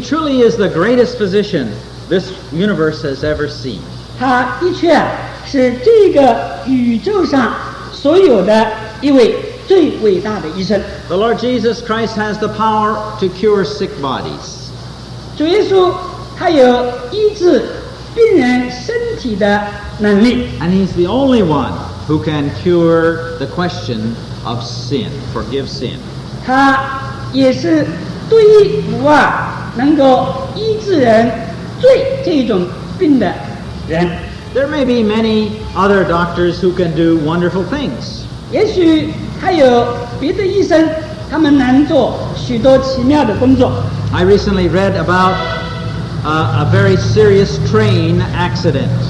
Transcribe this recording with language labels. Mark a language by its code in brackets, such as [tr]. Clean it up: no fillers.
[en] truly is the greatest physician this universe has ever seen. [zh] 他的确是这个宇宙上所有的一位最伟大的医生。 [en] The Lord Jesus Christ has the power to cure sick bodies. [zh] 主耶稣他有医治病人身体的能力。 [en] And he's the only one who can cure the question of sin, forgive sin. [zh] 他也是独一无二能够医治人罪这种病的人。 [en] There may be many other doctors who can do wonderful things. [zh] 也许还有别的医生，他们能做许多奇妙的工作。 [en] I recently read about a very serious train accident.